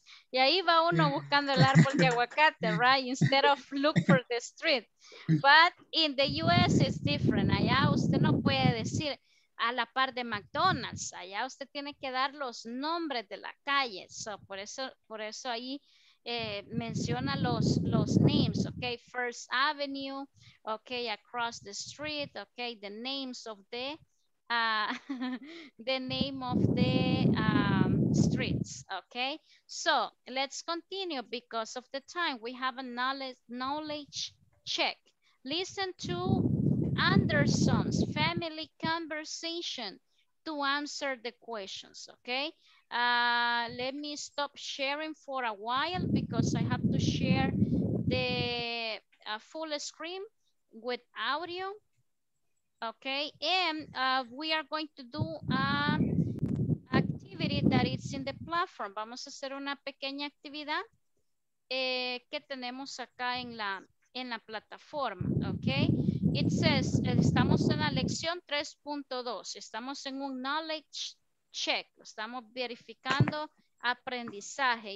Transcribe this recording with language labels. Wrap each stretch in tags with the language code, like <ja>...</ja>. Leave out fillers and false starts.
<es>Y ahí va uno buscando el árbol de aguacate, right?</es> <en>Instead of look for the street. But in the US it's different.</en> <es>Allá usted no puede decir a la par de McDonald's. Allá usted tiene que dar los nombres de la calle. So por eso ahí...</es> <en>menciona los names, okay, First Avenue, okay, across the street, okay, the names of the the name of the streets, okay. So let's continue because of the time. We have a knowledge check. Listen to Anderson's family conversation to answer the questions, okay. Let me stop sharing for a while because I have to share the full screen with audio. Okay, and we are going to do an activity that is in the platform.</en> <es>Vamos a hacer una pequeña actividad que tenemos acá en la plataforma.</es> <en>Okay, it says,</en> <es>estamos en la lección 3.2. Estamos en un knowledge check. Estamos verificando aprendizaje.</es>